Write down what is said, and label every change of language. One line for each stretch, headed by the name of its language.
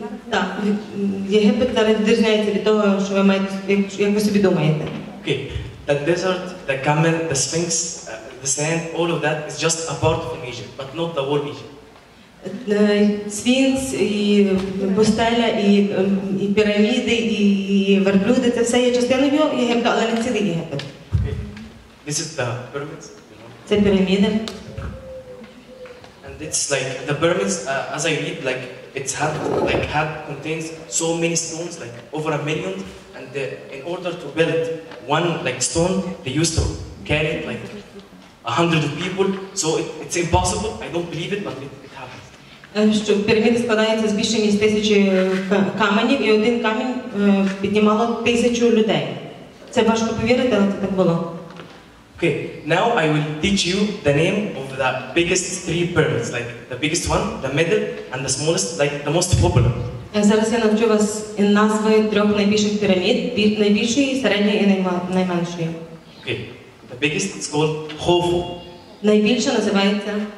Ukrainian: Так, Єгипет навіть відрізняється від того, що ви маєте, як ви собі думаєте. Окей.
English: The desert, the camel, the sphinx, the sand, all of that is just a part of Egypt, but not the whole Egypt.
Ukrainian: Сфінкс, і пустеля, і піраміди, і верблюди — це все є частиною Єгипта, але не цілий Єгипет.
English: This is the pyramids.
Ukrainian: Це піраміди.
English: And it's like the pyramids, as I read, like it's had, like had contains so many stones, like over a million. And the, in order to build one like stone, they used to carry like 100 people. So it's impossible. I don't believe it, but it happened.
Ukrainian: Що піраміди складаються з більше ніж тисячі каменів, і один камінь піднімало тисячу людей. Це важко повірити, але це так було.
English: Okay, now I will teach you the name of the biggest three pyramids, like the biggest one, the middle, and the smallest, like the most popular.
Ukrainian: Зараз я навчу вас назви трьох найбільших пірамід, найбільшої, середньої і найменшої.
English: Okay, the biggest is called Хофу.
Ukrainian: Найбільша називається?